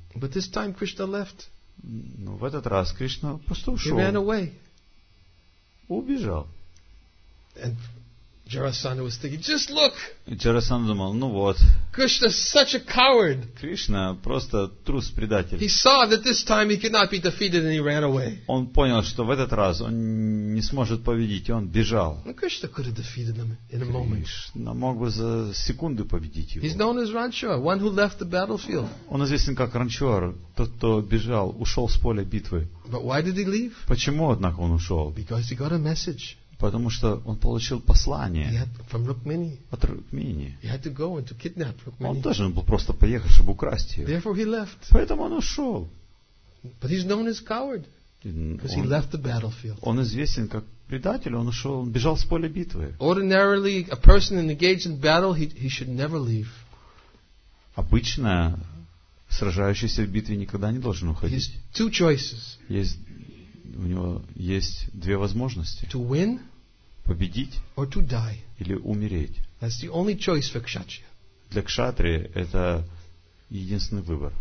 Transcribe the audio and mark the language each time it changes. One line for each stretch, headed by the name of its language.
English: But this time Krishna left.
Russian: Но в этот раз Кришна просто ушел.
English: He ran away.
Russian: Убежал.
English: And Jarasandha was thinking, just look.
Russian: Jarasandha думал, ну вот.
English: Krishna such a coward.
Russian: Кришна просто трус, предатель.
English: He saw that this time he could not be defeated, and he ran away.
Russian: Он понял, что в этот раз он не сможет победить, и он бежал. Но
English: Krishna could have defeated him in a moment.
Russian: Кришна мог бы за секунду победить его.
English: He's known as Ranchor, one who left the battlefield.
Russian: Он известен как Ранчор, тот, кто бежал, ушел с поля битвы.
English: But why did he leave?
Russian: Почему, однако, он ушел?
English: Because he got a message.
Russian: Потому что он получил послание от Рукмини. Он должен был просто поехать, чтобы украсть ее.
English: Therefore he left.
Russian: Поэтому он ушел.
English: But he's known as coward, because he left the battlefield.
Russian: Он известен как предатель, он ушел, он бежал с поля битвы.
English: Ordinarily, a person engaged in battle, he should never leave.
Russian: Обычно сражающийся в битве никогда не должен уходить. Есть
English: two choices.
Russian: У него есть две возможности.
English: To win,
Russian: победить,
English: or to die.
Russian: Или умереть.
English: That's the only choice for Kshatriya.
Russian: Для кшатрии это единственный выбор.